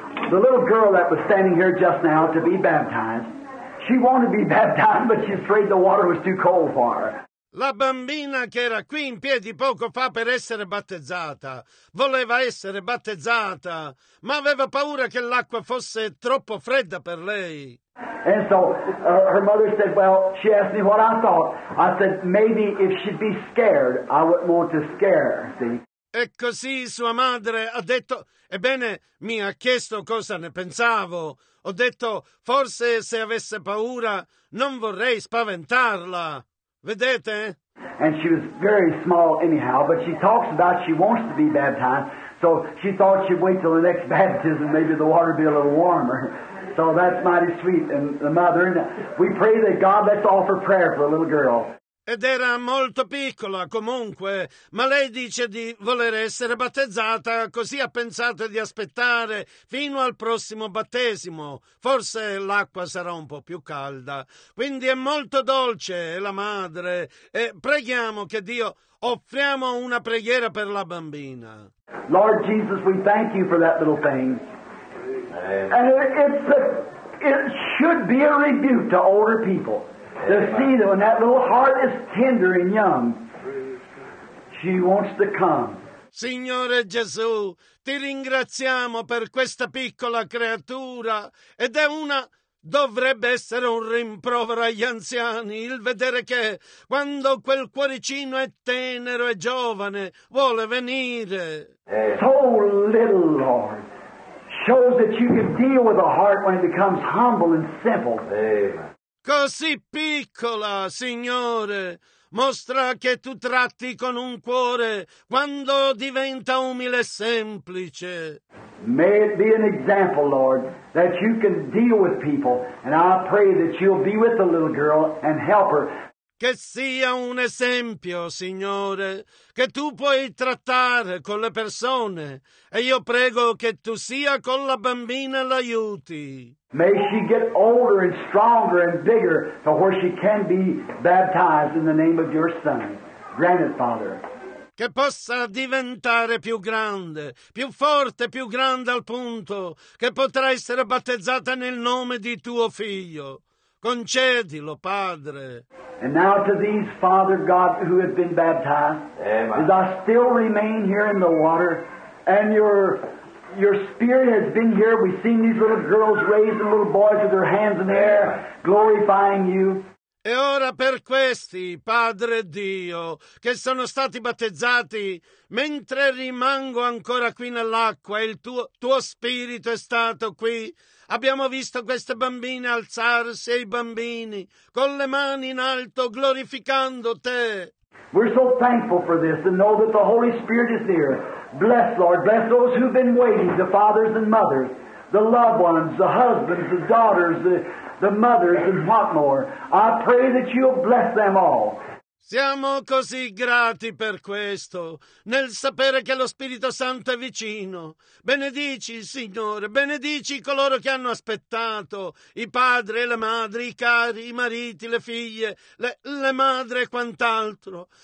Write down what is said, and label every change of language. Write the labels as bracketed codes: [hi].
[en] The little girl that was standing here just now to be baptized, she wanted to be baptized, but she's afraid the water was too cold for her. [it] La bambina che era qui in piedi poco fa per essere battezzata, voleva essere battezzata, ma aveva paura che l'acqua fosse troppo fredda per lei. [en] And so her mother said, well, she asked me what I thought. I said, maybe if she'd be scared, I wouldn't want to scare her, see? [it] E così sua madre ha detto, ebbene, mi ha chiesto cosa ne pensavo. Ho detto, forse se avesse paura, non vorrei spaventarla. Vedete? [en] And she was very small anyhow, but she talks about she wants to be baptized, so So she thought she'd wait till the next baptism, maybe the water would be a little warmer. So that's mighty sweet, and the mother, and we pray that God, let's offer prayer for the little girl. [it] Ed era molto piccola comunque, ma lei dice di voler essere battezzata, così ha pensato di aspettare fino al prossimo battesimo. Forse l'acqua sarà un po' più calda. Quindi è molto dolce la madre, e preghiamo che Dio, offriamo una preghiera per la bambina. [en] Lord Jesus, we thank you for that little thing. And it should be a rebuke to older people. To see that when that little heart is tender and young, she wants to come. [it] Signore Gesù, ti ringraziamo per questa piccola creatura ed è una... Dovrebbe essere un rimprovero agli anziani il vedere che quando quel cuoricino è tenero e giovane vuole venire. [en] So little, Lord, shows that you can deal with a heart when it becomes humble and simple. [it] Così piccola, Signore, mostra che tu tratti con un cuore quando diventa umile e semplice. [en] May it be an example, Lord, that you can deal with people, and I pray that you'll be with the little girl and help her. [it] Che sia un esempio, Signore, che tu puoi trattare con le persone, e io prego che tu sia con la bambina e l'aiuti. [en] May she get older and stronger and bigger to where she can be baptized in the name of your son. Grant it, Father. [it] Che possa diventare più grande, più forte, più grande al punto che potrà essere battezzata nel nome di tuo figlio. Concedilo, Padre. [en] And now to these, Father God, who have been baptized, Amen. As I still remain here in the water, and your spirit has been here, we've seen these little girls raise the little boys with their hands in the air, glorifying you. [it] E ora per questi, Padre Dio, che sono stati battezzati, mentre rimango ancora qui nell'acqua, il tuo spirito è stato qui. Abbiamo visto queste bambine alzarsi, e i bambini, con le mani in alto, glorificando te. [en] We're so thankful for this and know that the Holy Spirit is here. Bless, Lord, bless those who've been waiting, the fathers and mothers, the loved ones, the husbands, the daughters, the mothers and what more. I pray that you'll bless them all. [it] Siamo così grati per questo, nel sapere che lo Spirito Santo è vicino. Benedici, Signore, benedici coloro che hanno aspettato, i padri e le madri, i cari, i mariti, le figlie, le madre e quant'altro.